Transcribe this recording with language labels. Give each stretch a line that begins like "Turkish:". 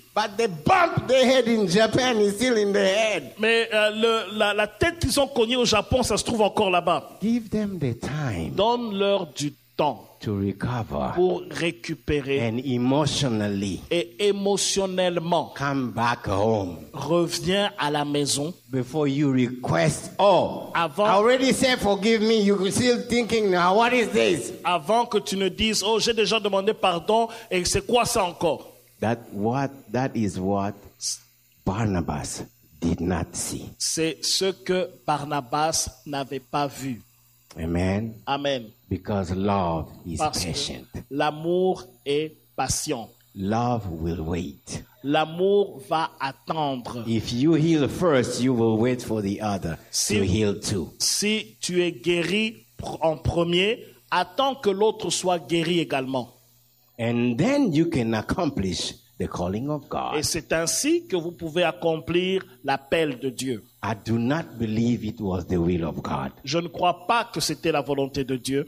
English: But the bump they had in Japan is still in their head.
French: Mais la tête qu'ils ont cognée au Japon, ça se trouve encore là-bas.
English: Give them the time.
French: Donne-leur du temps.
English: To recover.
French: Pour récupérer.
English: And emotionally.
French: Et émotionnellement.
English: Come back home.
French: Reviens à la maison.
English: Before you request, oh.
French: Avant.
English: I already said forgive me. You're still thinking now. What is this?
French: Avant que tu ne dises, oh, j'ai déjà demandé pardon. Et c'est quoi ça encore?
English: That is what Barnabas did not see.
French: C'est ce que Barnabas n'avait pas vu.
English: Amen.
French: Amen.
English: Because love is patient.
French: L'amour est patient.
English: Love will wait.
French: L'amour va attendre.
English: If you heal first, you will wait for the other to heal too.
French: Si tu es guéri en premier, attends que l'autre soit guéri également.
English: And then you can accomplish the calling of God.
French: Et c'est ainsi que vous pouvez accomplir l'appel de Dieu.
English: I do not believe it was the will of God.
French: Je ne crois pas que c'était la volonté de Dieu.